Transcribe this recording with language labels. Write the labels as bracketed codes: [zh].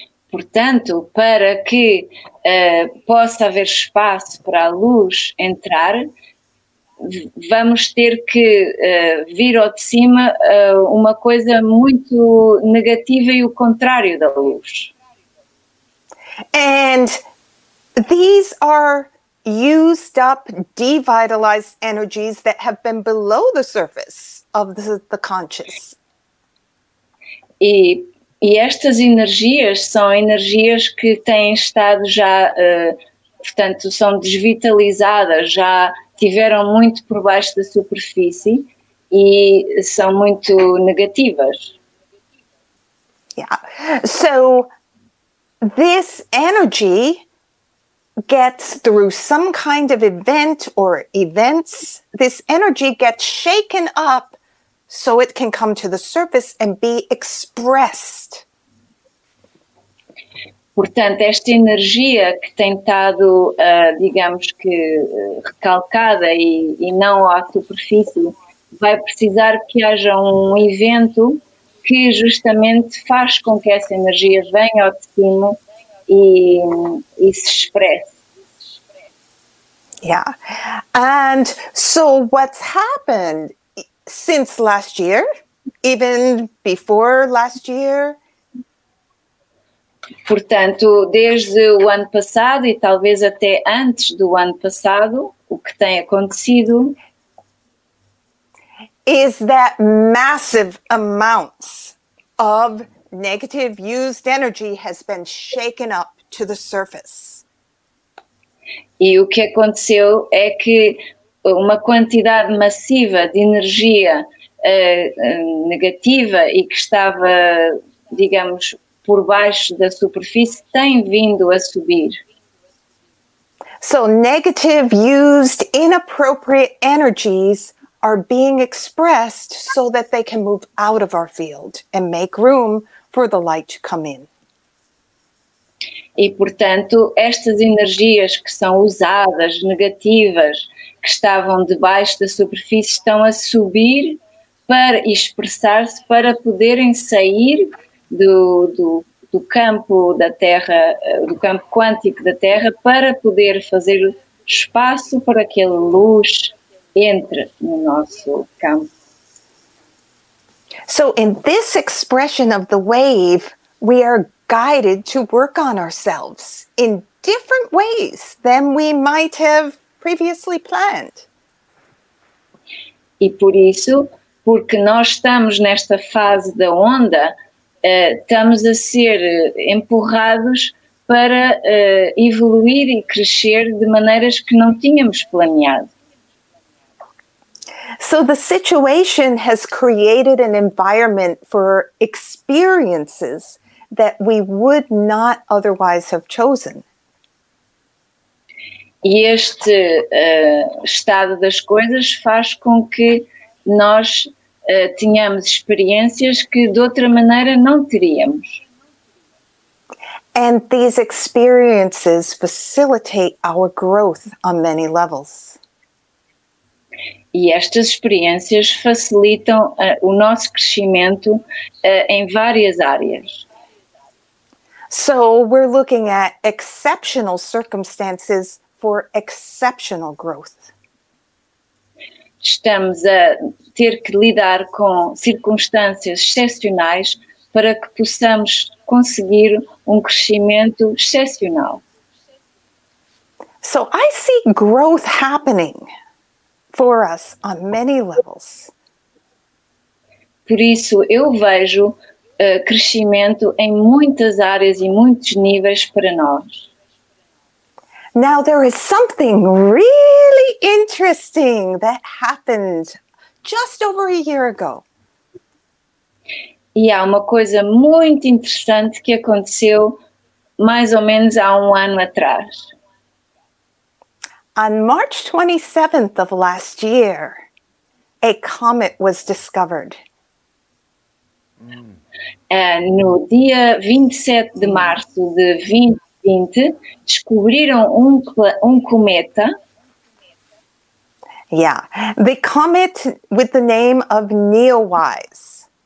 [pt] Portanto, para que possa haver espaço para a luz entrar, vamos ter que vir ao de cima uma coisa muito negativa e o contrário da luz. [en] And these are used up, devitalized energies that have been below the surface of the conscious. [pt] E estas energias são energias que têm estado já, portanto, são desvitalizadas, já tiveram muito por baixo da superfície e são muito negativas. [en] Yeah. So, this energy gets through some kind of event or events, this energy gets shaken up so it can come to the surface and be expressed. [pt] Portanto, esta energia que tem estado, digamos que, recalcada e não à superfície, vai precisar que haja um evento que justamente faz com que essa energia venha ao de cima e se expresse. [en] Yeah. And so what's happened since last year, even before last year? [pt] Portanto, desde o ano passado e talvez até antes do ano passado, o que tem acontecido? [en] is that massive amounts of negative used energy has been shaken up to the surface. [pt] E o que aconteceu é que uma quantidade massiva de energia negativa e que estava, digamos, por baixo da superfície, tem vindo a subir. [en] So negative used inappropriate energies are being expressed so that they can move out of our field and make room for the light to come in. [pt] E, portanto, estas energias que são usadas, negativas, que estavam debaixo da superfície, estão a subir para expressar-se, para poderem sair do campo da Terra, do campo quântico da Terra, para poder fazer espaço para que a luz entre no nosso campo. [en] So, in this expression of the wave, we are guided to work on ourselves in different ways than we might have previously planned. [pt] E por isso, porque nós estamos nesta fase da onda, estamos a ser empurrados para evoluir e crescer de maneiras que não tínhamos planeado. [en] So the situation has created an environment for experiences that we would not otherwise have chosen. [pt] E este estado das coisas faz com que nós tenhamos experiências que de outra maneira não teríamos. [en] And these experiences facilitate our growth on many levels. [pt] E estas experiências facilitam o nosso crescimento em várias áreas. [en] So we're looking at exceptional circumstances for exceptional growth. [pt] Estamos a ter que lidar com circunstâncias excepcionais para que possamos conseguir um crescimento excepcional. [en] So I see growth happening for us on many levels. [pt] Por isso eu vejo crescimento em muitas áreas e muitos níveis para nós. [en] Now there is something really interesting that happened just over a year ago. [pt] E há uma coisa muito interessante que aconteceu mais ou menos há um ano atrás. [en] On March 27th of last year, a comet was discovered. [pt] No dia 27 de março de 2020, descobriram um cometa. [en] Yeah, the comet with the name of Neowise.